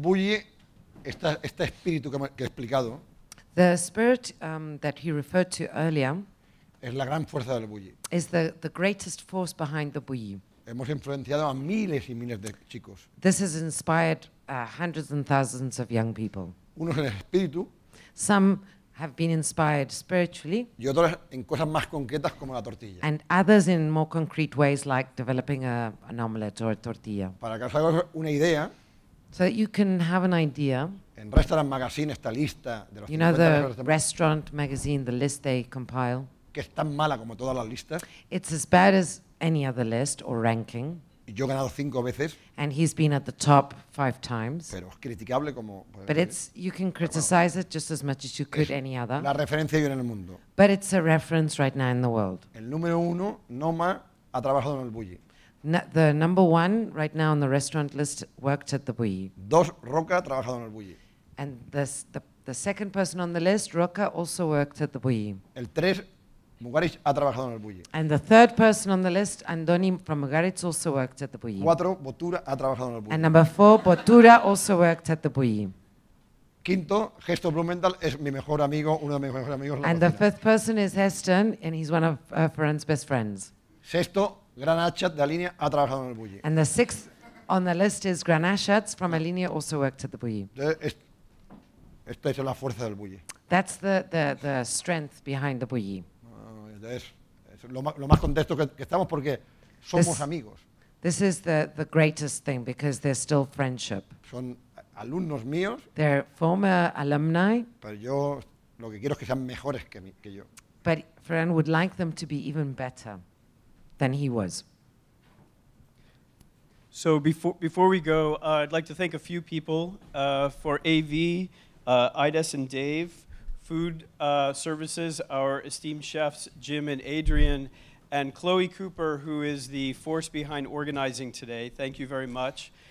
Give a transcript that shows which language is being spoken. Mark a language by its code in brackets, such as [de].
[es] El Bulli, este espíritu que he explicado, [en] the spirit that he referred to earlier, [es] es la gran fuerza del Bulli. [en] Is the greatest force behind the Bulli. [es] Hemos influenciado a miles y miles de chicos. [en] This has inspired hundreds and thousands of young people. [es] Unos en el espíritu. [en] Some have been inspired spiritually. [es] Y otros en cosas más concretas como la tortilla. [en] And others in more concrete ways like developing an omelette or a tortilla. [es] Para que os hagáis una idea. [en] So that you can have an idea. [es] En Restaurant Magazine esta lista de los [en] you know the Restaurant Magazine, the list they compile. [es] Que es tan mala como todas las listas. [en] It's as bad as any other list or ranking. [es] Y yo he ganado 5 veces. [en] And he's been at the top 5 times. [es] Pero es criticable como. [en] But it's you can criticize it just as much as you could any other. [es] La referencia hoy en el mundo. [en] But it's a reference right now in the world. [es] El número uno, Noma, ha trabajado en el Bulli. [en] The number one right now on the restaurant list worked at the Bulli. [es] Dos, Roca, ha trabajado en el Bulli. [en] And the second person on the list, Roca, also worked at the Bulli. [es] El tres, Mugaritz, ha trabajado en el Bulli. [en] And the third person on the list, Andoni from Mugaritz, also worked at the Bulli. [es] Cuatro, Botura, ha trabajado en el Bulli. [en] And number four, Botura, also worked at the Bulli. [es] Quinto, Gesto Blumenthal, es mi mejor amigo, uno de mis mejores amigos. [en] And the fifth person is Heston, and he's one of Ferran's best friends. [es] Sexto, Granachat, de Alinea, ha trabajado en el Bulli. [en] And the sixth on the list is Granachat, from Alinea, also worked at the Bulli. [es] Esta es la fuerza del Bulli. [en] That's the strength behind the Bulli. [es] Es, lo más contento que estamos porque somos amigos. [en] This is the greatest thing because there's still friendship. [es] Son alumnos míos. [en] They're former alumni. [es] Pero yo lo que quiero es que sean mejores que yo. [en] But Ferran would like them to be even better than he was. So before we go, I'd like to thank a few people for AV, Ides and Dave, Food Services, our esteemed chefs, Jim and Adrian, and Chloe Cooper, who is the force behind organizing today. Thank you very much.